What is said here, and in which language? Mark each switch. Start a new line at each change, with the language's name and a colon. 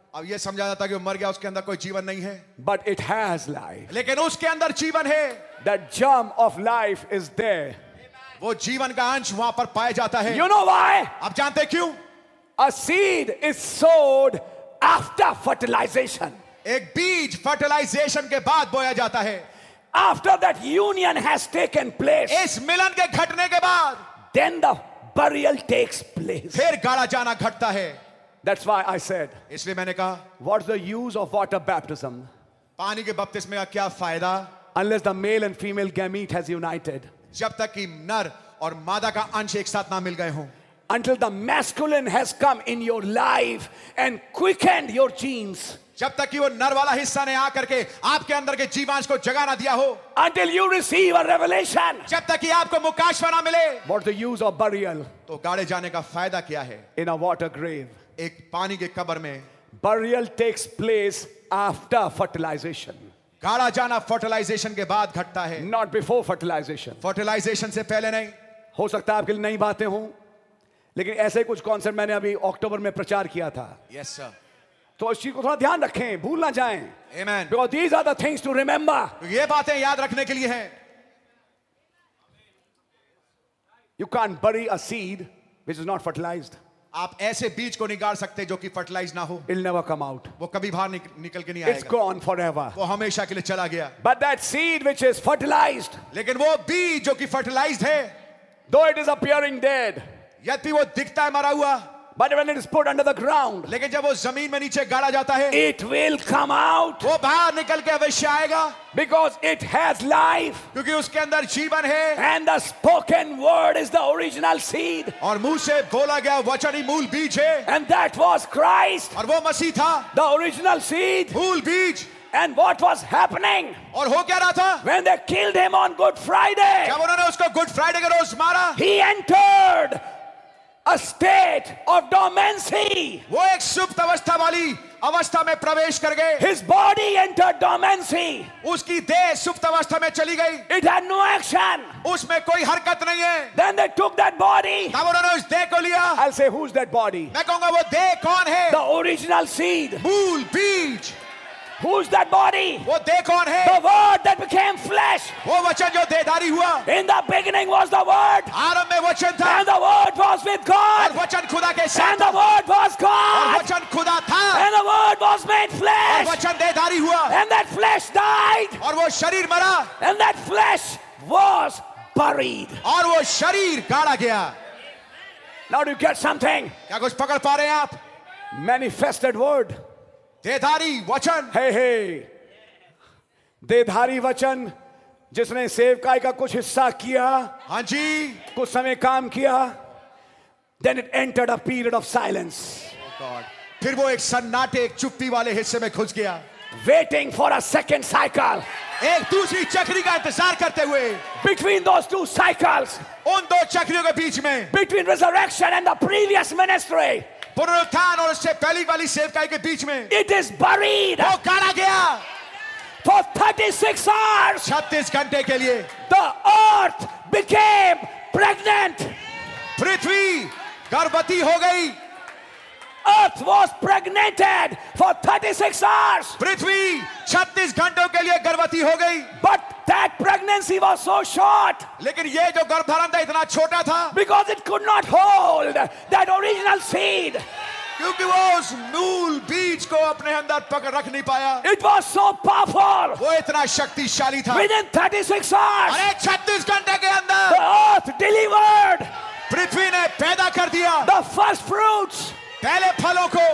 Hindi: अब ये समझा जाता है कि वो मर गया, उसके अंदर कोई जीवन नहीं है.
English: But it has life.
Hindi: लेकिन उसके अंदर जीवन है.
English: The germ of life is there.
Hindi: वो जीवन का अंश वहां पर पाया जाता है.
English: You know why?
Hindi: आप जानते क्यों?
English: A seed is sowed after fertilization.
Hindi: एक बीज फर्टिलाइजेशन के बाद बोया जाता है.
English: After that union has taken place,
Hindi: इस मिलन के घटने के बाद,
English: then the burial takes place.
Hindi: फिर गाड़ा जाना घटता है.
English: That's why I said.
Hindi: इसलिए मैंने कहा.
English: What's the use of water baptism?
Hindi: पानी के बपतिस्मे का क्या फायदा?
English: Unless the male and female gamete has united.
Hindi: जब तक कि नर और मादा का अंश एक साथ ना मिल गए हों.
English: Until the masculine has come in your life and quickened your genes.
Hindi: जब तक कि वो नर वाला हिस्सा ने आकर के आपके अंदर के जीवांश को जगा ना दिया हो.
English: Until you receive a revelation.
Hindi: जब तक कि आपको मुकाशवा ना मिले.
English: What's the use of burial?
Hindi: तो गाड़े जाने का फायदा क्या है?
English: In a water grave.
Hindi: एक पानी के कब्र में.
English: Burial takes place after fertilization.
Hindi: गाड़ा जाना फर्टिलाइजेशन के बाद घटता है.
English: Not before fertilization.
Hindi: फर्टिलाइजेशन से पहले नहीं. हो सकता है आपके लिए नई बातें हों, लेकिन ऐसे कुछ कॉन्सेप्ट मैंने अभी अक्टूबर में प्रचार किया था.
English: Yes, sir.
Hindi: तो इस चीज को थोड़ा ध्यान रखें, भूल ना जाएं.
English: Amen. Because these are the things to remember.
Hindi: ये बातें याद रखने के लिए हैं.
English: You can't bury a seed which is not fertilized.
Hindi: आप ऐसे बीज को नहीं गाड़ सकते जो कि फर्टिलाइज ना हो.
English: It'll never come out.
Hindi: वो कभी बाहर निकल के नहीं आएगा.
English: It's gone forever.
Hindi: वो हमेशा के लिए चला गया.
English: But that seed which is fertilized.
Hindi: लेकिन वो बीज जो कि फर्टिलाइज्ड है.
English: Though it is appearing dead.
Hindi: यदि वो दिखता है मरा हुआ.
English: But when it is put under the ground,
Hindi: लेकिन जब वो जमीन में नीचे गाड़ा जाता है,
English: it will come out.
Hindi: वो बाहर निकल के अवश्य आएगा.
English: Because it has life.
Hindi: क्योंकि उसके अंदर जीवन है.
English: And the spoken word is the original seed.
Hindi: और मुंह से बोला गया वचन ही मूल बीज है.
English: And that was Christ.
Hindi: और वो मसीह था.
English: The original seed.
Hindi: मूल बीज.
English: And what was happening?
Hindi: और हो क्या रहा था?
English: When they killed him on Good Friday.
Hindi: जब उन्होंने उसको Good Friday के रोज मारा.
English: He entered. A state of dormancy.
Hindi: वो एक सुप्त अवस्था वाली अवस्था में प्रवेश कर गए.
English: His body entered dormancy.
Hindi: उसकी देह सुप्त अवस्था में चली गई.
English: It had no action.
Hindi: उसमें कोई हरकत नहीं है.
English: Then they took that body.
Hindi: तब उन्होंने उस देह को लिया.
English: I'll say who's that body?
Hindi: मैं कहूँगा वो देह कौन है?
English: The original seed.
Hindi: मूल बीज.
English: Who's that body?
Hindi: वो देह कौन है?
English: The word that became flesh.
Hindi: वो वचन जो देहधारी हुआ.
English: In the beginning was the word.
Hindi: आरंभ में वचन था.
English: And the word was with God.
Hindi: और वचन खुदा के साथ.
English: And the word was God.
Hindi: और वचन खुदा था.
English: And the word was made flesh.
Hindi: और वचन देहधारी हुआ.
English: And that flesh died.
Hindi: और वो शरीर मरा.
English: And that flesh was buried.
Hindi: और वो शरीर गाड़ा गया.
English: Now do you get something?
Hindi: क्या कुछ पकड़ पा रहे हैं आप?
English: Manifested word.
Hindi: देधारी वचन. हे हे, देधारी वचन जिसने सेवकाई का कुछ हिस्सा किया. हाँ जी. कुछ समय काम किया.
English: Then it entered a period of silence. Oh God.
Hindi: फिर वो एक सन्नाटे, एक चुप्पी वाले हिस्से में घुस गया.
English: Waiting for a second cycle.
Hindi: एक दूसरी चक्री का इंतजार करते हुए.
English: Between those two cycles.
Hindi: उन दो चक्रियों के बीच में.
English: Between resurrection and the previous ministry.
Hindi: पुनरुत्थान और उससे पहली वाली सेवकाई के बीच में.
English: It is buried.
Hindi: वो गाड़ा गया.
English: For 36 hours.
Hindi: 36 घंटे के लिए.
English: The earth became pregnant.
Hindi: पृथ्वी गर्भवती हो गई.
English: Earth was pregnated for 36 hours.
Hindi: पृथ्वी 36 घंटों के लिए गर्भवती हो गई.
English: But that pregnancy was so short.
Hindi: लेकिन ये जो गर्भधारण था इतना छोटा था.
English: Because it could not hold that original seed.
Hindi: क्योंकि वो उस मूल बीज को अपने अंदर पकड़ रख नहीं पाया.
English: It was so powerful.
Hindi: वो इतना शक्तिशाली था.
English: Within 36 hours.
Hindi: अरे 36 घंटे के अंदर.
English: The earth delivered.
Hindi: पृथ्वी ने पैदा कर दिया.
English: The first fruits.
Hindi: पहले फलों को.